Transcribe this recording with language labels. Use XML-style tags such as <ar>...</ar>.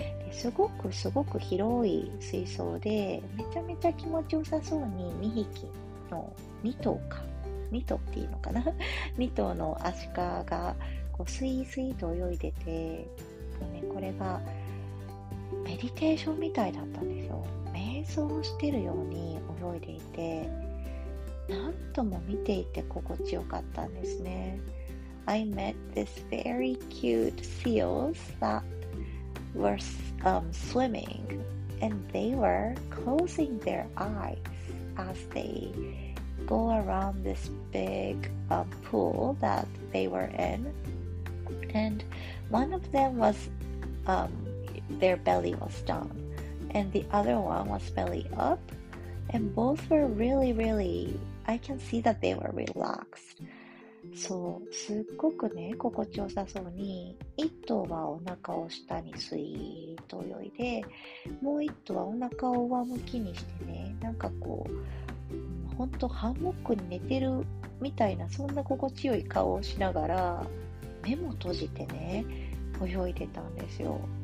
<ja>すごくすごく広い水槽で、めちゃめちゃ気持ちよさそうに2匹の2頭か2頭っていうのかな2頭のアシカがこうスイスイと泳いでて、ね、これがメディテーションみたいだったんですよ。瞑想してるように泳いでいて、なんとも見ていて心地よかったんですね。</ja> <en>I met this very cute seals that were swimming, and they were closing their eyes as they go around this big pool that they were in. And one of them was, their belly was down, and the other one was belly up, and both were really, really, I can see that they were relaxed.</en> <ja>そう、すっごくね、心地よさそうに、一頭はお腹を下にスイーと泳いで、もう一頭はお腹を上向きにしてね、なんかこう、ほんとハンモックに寝てるみたいな、そんな心地よい顔をしながら、目も閉じてね、泳いでたんですよ。</ja>